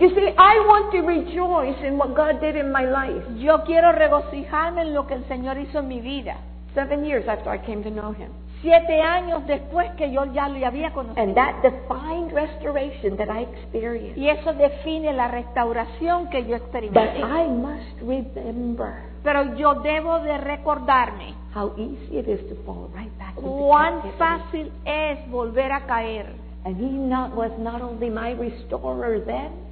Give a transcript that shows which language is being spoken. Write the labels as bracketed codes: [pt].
[en] You see, I want to rejoice in what God did in my life. [es] Yo quiero regocijarme en lo que el Señor hizo en mi vida. [en] 7 years after I came to know Him. [es] 7 años después que yo ya lo había conocido. [en] And that defined restoration that I experienced. [es] Y eso define la restauración que yo experimenté. [en] But I must remember. [es] Pero yo debo de recordarme. [en] How easy it is to fall right back. [es] Cuán fácil es volver a caer. [en] And He was not only my restorer then.